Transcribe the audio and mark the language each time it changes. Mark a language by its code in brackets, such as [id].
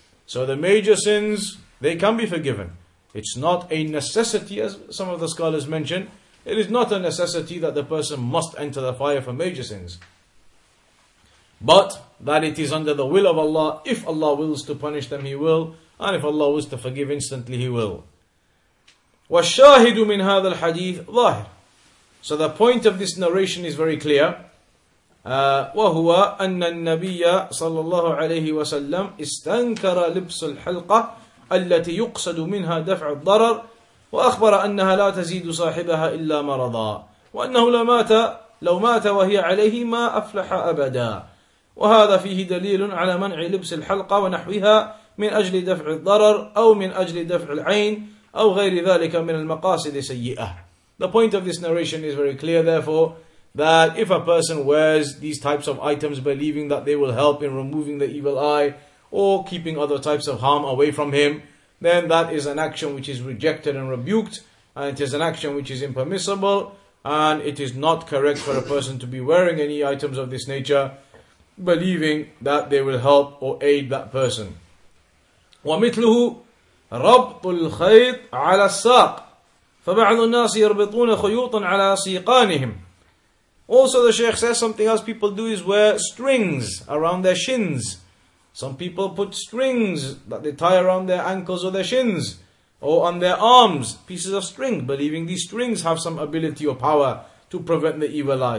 [en] So the major sins, they can be forgiven. It's not a necessity, as some of the scholars mention. It is not a necessity that the person must enter the fire for major sins. But that it is under the will of Allah. If Allah wills to punish them, He will. And if Allah wills to forgive instantly, He will. [ar] والشاهد من هذا الحديث ظاهر. [en] So the point of this narration is very clear. [ar] وهو أن النبي صلى الله عليه وسلم استنكر لبس الحلقة التي يقصد منها دفع الضرر وأخبر أنها لا تزيد صاحبها إلا مرضا وأنه لو مات وهي عليه ما أفلح أبدا وهذا فيه دليل على منع لبس الحلقة ونحوها من أجل دفع الضرر أو من أجل دفع العين أو غير ذلك من المقاصد سيئة. [en] The point of this narration is very clear, therefore, that if a person wears these types of items believing that they will help in removing the evil eye or keeping other types of harm away from him, then that is an action which is rejected and rebuked, and it is an action which is impermissible, and it is not correct for a person to be wearing any items of this nature believing that they will help or aid that person. [ar] ومثله ربط الخيط على الساق فبعض الناس يربطون خيوطا على سيقانهم. [en] Also the Shaykh says something else people do is wear strings around their shins. Some people put strings that they tie around their ankles or their shins. or on their arms, pieces of string, believing these strings have some ability or power to prevent the evil eye.